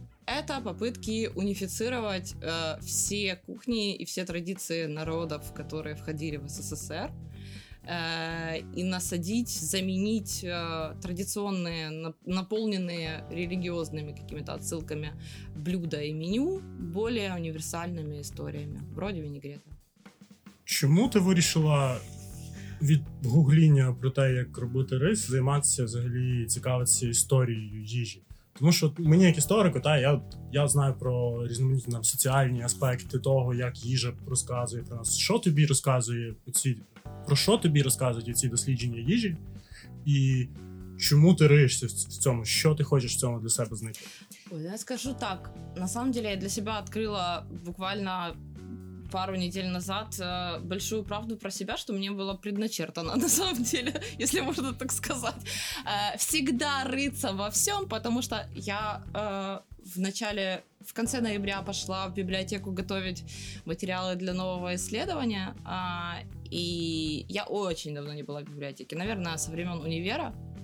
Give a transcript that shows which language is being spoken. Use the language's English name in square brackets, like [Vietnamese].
[Russian] Это попытки унифицировать все кухни и все традиции народов, которые входили в СССР. И насадить, заменить традиционные, наполненные религиозными какими-то отсылками блюда и меню более универсальными историями, вроде винегрета. [Ukrainian] Чому ти вирішила від гугління про те, як робити рис, займатися взагалі цікавитися історією їжі? Тому що мені як історику, та я знаю про різноманітні там соціальні аспекти того, як їжа розказує про нас. Що тобі розказує ці, про що тобі розказують ці дослідження їжі? І чому ти риєшся в цьому? Що ти хочеш в цьому для себе знайти? Ой, я скажу так. [Russian] На самом деле я [Ukrainian] для себе відкрила [Russian] буквально пару недель назад большую правду про себя, что мне было предначертано, на самом деле, если можно так сказать. Всегда рыться во всем, потому что я в конце ноября пошла в библиотеку готовить материалы для нового исследования, и я очень давно не была в библиотеке, наверное, со времен универа.